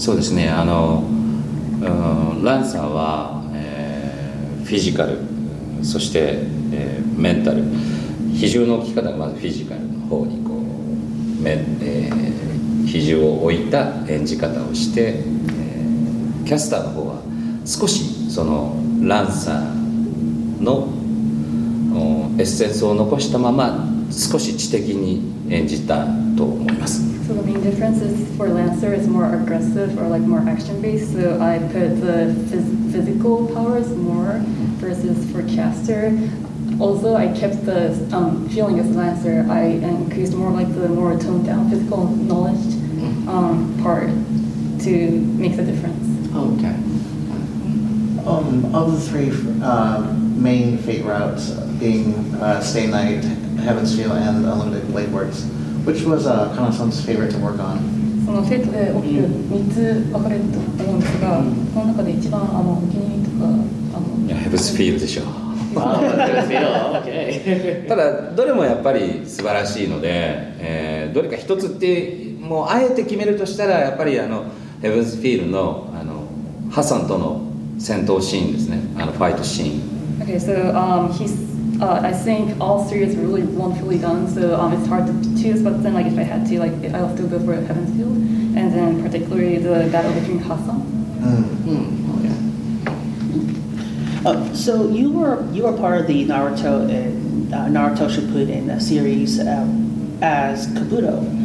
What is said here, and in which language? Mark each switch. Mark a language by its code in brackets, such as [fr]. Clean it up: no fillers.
[ja] そうですね、ランサーは、フィジカル、そして、メンタル、比重の置き方がまずフィジカルの方にこう比重を置いた演じ方をして、キャスターの方は少しそのランサーのエッセンスを残したまま少し知的に演じたと思います。 [en] So the main difference is for Lancer is more aggressive or like more action based. So I put the physical powers more versus for Caster. Also, I kept the feeling as Lancer. I increased more like the more toned down physical knowledge part to make the difference. Okay. Of the three main Fate routes, being Stay Night, Heaven's Feel, and Unlimited Blade Works, which was Kana-san's favorite to work on? [ja] その Fate で起きる3つ分かれると思うんですが、この中で一番お気に入りとか、 Heaven's Feel でしょ。 [en] Heaven's Feel, OK. [ja] ただ、どれもやっぱり素晴らしいので、どれか一つって、もうあえて決めるとしたら、やっぱりHeaven's Feel のハサンとの戦闘シーンですね、ファイトシーン。 [en] Okay, so I think all three is really wonderfully done, so it's hard to choose, but then like if I had to, like I'll still go for Heaven's Field, and then particularly the battle between Hassan. So you were part of the Naruto and Naruto Shippuden series as Kabuto.